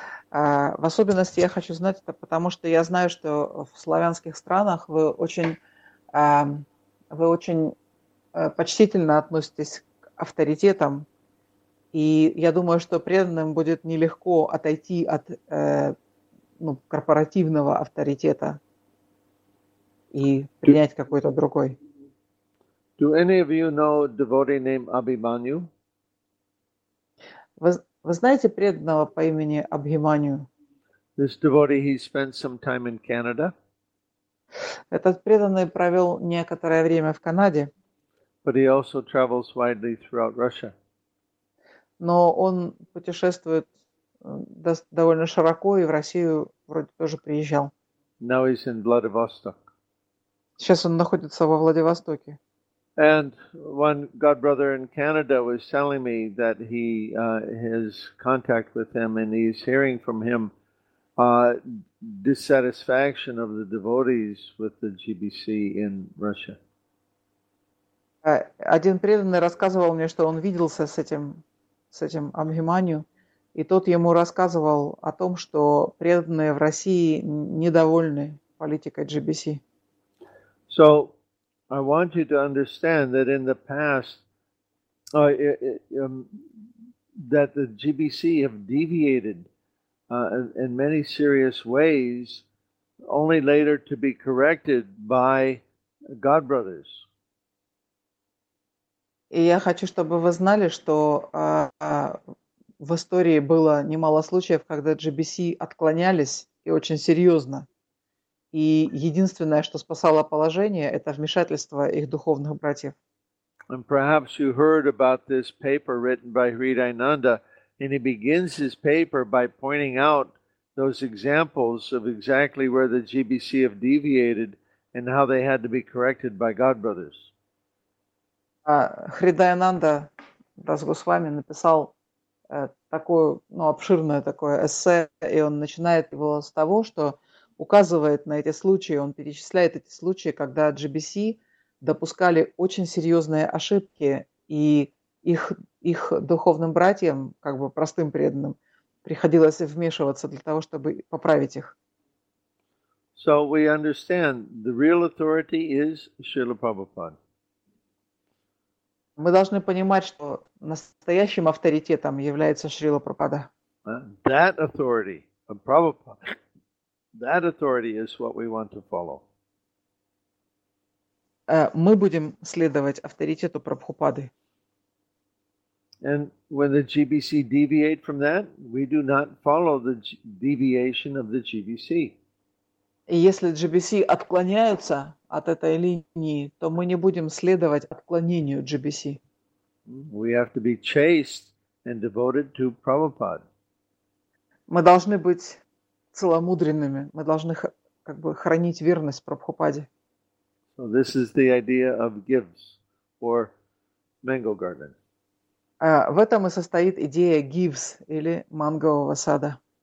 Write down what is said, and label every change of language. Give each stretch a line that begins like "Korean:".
Russian: В особенности я хочу знать это, потому что я знаю, что в славянских странах вы очень почтительно относитесь к авторитетам, и я думаю, что преданным будет нелегко отойти от корпоративного авторитета и принять какой-то другой.
English: Do any of you know a devotee named Abhimanyu?
Russian: Вы знаете преданного по имени Абхиманию?
English: This devotee, he spent some time in Canada.
Russian: Этот преданный провел некоторое время в Канаде.
English: But he also travels widely throughout Russia.
Russian: Но он путешествует довольно широко и в Россию вроде тоже приезжал.
English: Now he's in Vladivostok.
Russian: Сейчас он находится во Владивостоке.
English: And one godbrother in Canada was telling me that he has contact with him, and he's hearing from him dissatisfaction of the devotees with the GBC in Russia.
Russian: Один преданный рассказывал мне, что он виделся с этим Абхиманию, и тот ему рассказывал о том, что преданные в России недовольны политикой GBC.
English: So I want you to understand that in the past, that the GBC have deviated in many serious ways, only later to be corrected by Godbrothers.
Russian: И я хочу, чтобы вы знали, что в истории было немало случаев, когда GBC отклонялись и очень серьезно. И единственное, что спасало положение, это вмешательство их духовных братьев.
English: And perhaps you heard about this paper written by Hridayananda, and he begins his paper by pointing out those examples of exactly where the GBC have deviated and how they had to be corrected by Godbrothers.
Russian: Хридаянанда Дас Госвами написал обширное такое эссе, и он начинает его с того, что указывает на эти случаи, он перечисляет эти случаи, когда GBC допускали очень серьезные ошибки, и их духовным братьям, как бы простым преданным, приходилось вмешиваться для того, чтобы поправить их.
English: So we understand the real authority is Srila Prabhupada.
Russian: Мы должны понимать, что настоящим авторитетом является Шрила Прабхупада.
English: That authority of Prabhupada. That authority is what we want to follow.
Russian: Мы будем следовать авторитету Прабхупады.
English: And when the GBC deviate from that, we do not follow the deviation of the GBC.
Russian: Если GBC отклоняются от этой линии, то мы не будем следовать отклонению GBC.
English: We have to be chaste and devoted to Prabhupada.
Russian: Мы должны быть целомудренными. Мы должны как бы хранить верность Прабхупаде.
English: So this is the idea of gives or mango garden.
Russian: В этом и состоит идея gives или мангового сада.